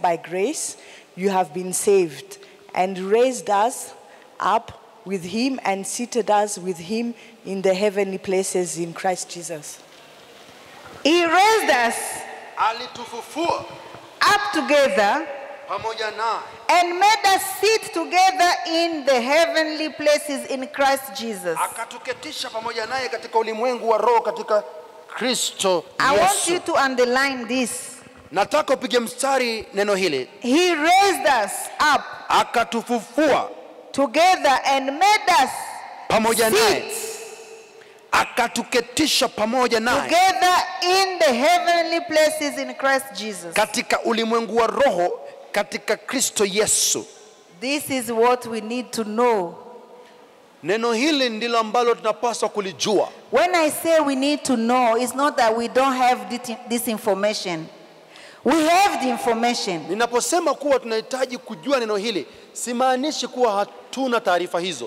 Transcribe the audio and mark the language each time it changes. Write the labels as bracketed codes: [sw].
[en] By grace you have been saved, and raised us up with him and seated us with him in the heavenly places in Christ Jesus. He raised us [sw] alitufufua [en] up together [sw] pamoja na [en] and made us sit together in the heavenly places in Christ Jesus. [sw] Akatuketisha pamoja naye katika ulimwengu wa roho katika Kristo [en] Yesu. I want you to underline this. [sw] Nataka upige mstari neno hili. [en] He raised us up. [sw] Akatufufua [en] together and made us [sw] pamoja naye. Akatuketisha pamoja naye. [en] Together in the heavenly places in Christ Jesus. [sw] Katika ulimwengu wa roho katika Kristo Yesu. [en] This is what we need to know. [sw] Neno hili ndilo ambalo tunapaswa kulijua. [en] When I say we need to know, it's not that we don't have this information. We have the information. [sw] Ninaposema kuwa tunahitaji kujua neno hili, simaanishi kuwa hatuna taarifa hizo.